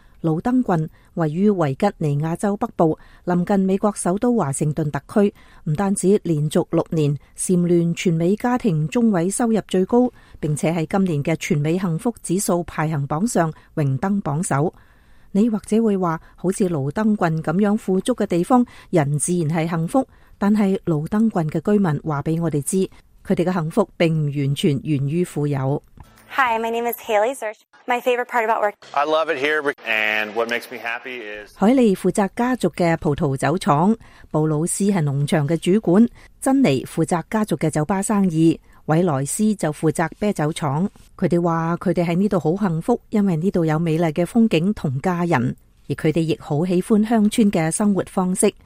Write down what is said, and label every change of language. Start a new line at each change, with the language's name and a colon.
Chinese: 劳登郡位于维吉尼亚州北部，临近美国首都华盛顿特区，不单止连续六年蝉联全美家庭中位收入最高，并且在今年的全美幸福指数排行榜上荣登榜首。你或者会说，好像劳登郡这样富足的地方，人自然是幸福，但是劳登郡的居民告诉我们，他们的幸福并不完全源于富有。
English: Hi, my name is Haley Zirch. My favorite part about work. I love it here, and what makes me happy is.
Chinese: 海莉负责家族的葡萄酒厂，布鲁斯是农场的主管，珍妮负责家族的酒吧生意，韦莱斯就负责啤酒厂。他们说他们在这里很幸福，因为这里有美丽的风景和家人，而他们亦很喜欢乡村的生活方式。